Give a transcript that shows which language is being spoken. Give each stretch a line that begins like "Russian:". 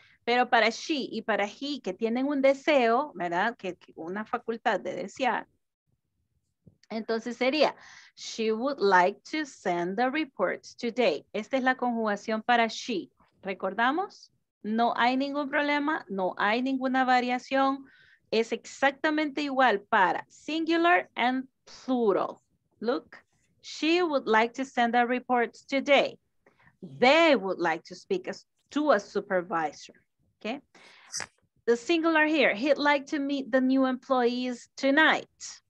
Spanish: Pero para she y para he, que tienen un deseo, ¿verdad? Que una facultad de desear. Entonces sería,
English: she would like to send the reports today.
Spanish: Esta es la conjugación para she. ¿Recordamos? No hay ningún problema, no hay ninguna variación. Es exactamente igual para
English: singular and plural. Look, she would like to send her reports today. They would like to speak to a supervisor. Okay. The singular here, he'd like to meet the new employees tonight.